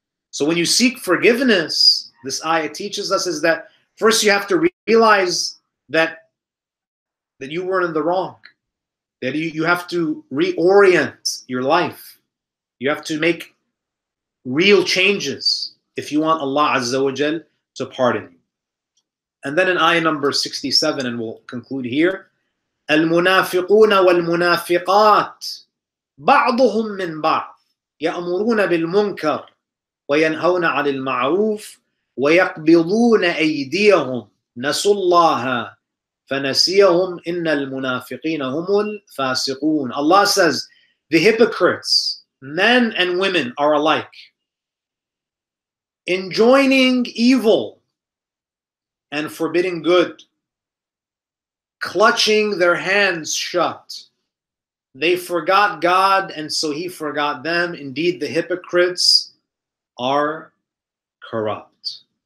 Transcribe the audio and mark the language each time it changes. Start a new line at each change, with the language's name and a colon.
English: So when you seek forgiveness, this ayah teaches us is that first you have to realize that you were in the wrong. That you have to reorient your life. You have to make real changes if you want Allah Azza wa Jal to pardon you. And then in ayah number 67, and we'll conclude here,
Arabic: Al-Munafiquna wal-Munafiqat بعضهم من بعض يأمرون بالمنكر وينهون عن المعروف ويقبضون أيديهم نسوا الله فنسيهم إن المنافقين هم الفاسقون.
English: Allah says, the hypocrites, men and women are alike, enjoining evil and forbidding good, clutching their hands shut. They forgot God, and so He forgot them. Indeed, the hypocrites are corrupt.